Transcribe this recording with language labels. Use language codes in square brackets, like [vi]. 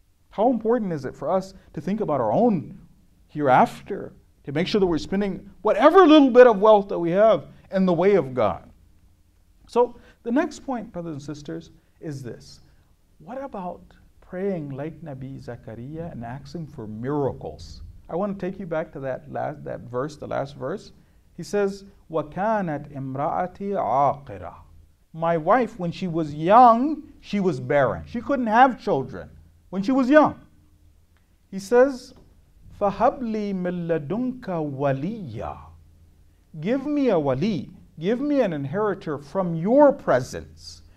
[en] How important is it for us to think about our own hereafter, to make sure that we're spending whatever little bit of wealth that we have in the way of God? So the next point, brothers and sisters, is this. What about praying like Nabi Zakaria and asking for miracles? I want to take you back to the last verse. He says, [ar] وَكَانَتْ إِمْرَأَتِي عَاقِرًا. [en] My wife, when she was young, she was barren. She couldn't have children when she was young. He says, [ar] فَهَبْلِي مِنْ لَدُنْكَ وَلِيًّا. [en] Give me a wali, give me an inheritor from your presence.